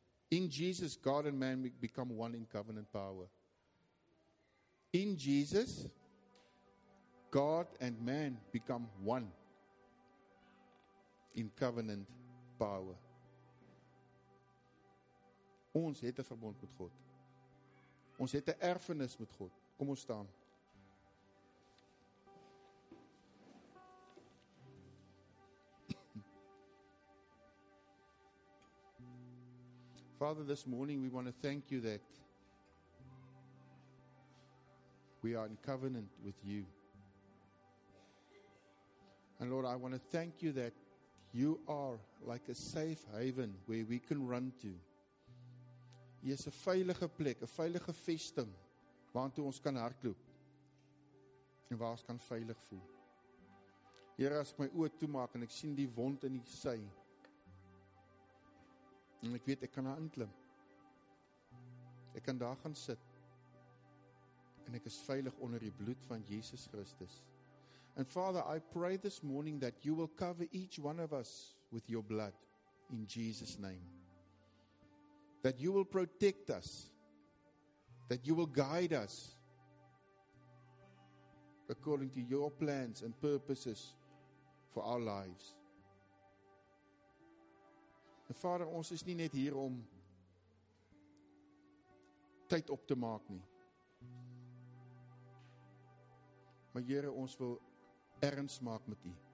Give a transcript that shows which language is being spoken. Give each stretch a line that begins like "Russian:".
English: In Jesus, God and man become one in covenant power. In Jesus, God and man become one in covenant power.
Afrikaans: Ons het 'n verbond met God. Ons het 'n erfenis met God. Kom ons staan.
English: Father, this morning we want to thank you that we are in covenant with you. And Lord, I want to thank you that you are like a safe haven where we can run to.
Afrikaans: Jy is 'n veilige plek, 'n veilige vesting waartoe ons kan hardloop en waar ons kan veilig voel. Here, as ek my oë toemaak en ek sien die wond in die sy, en ek weet ek kan daar inklim, ek kan daar gaan sit, en ek is veilig onder die bloed van Jesus Christus.
English: And Father, I pray this morning that you will cover each one of us with your blood in Jesus' name. That you will protect us. That you will guide us according to your plans and purposes for our lives.
Afrikaans: Vader, ons is nie net hier om tyd op te maak nie. Maar Here, ons wil erns maak met U.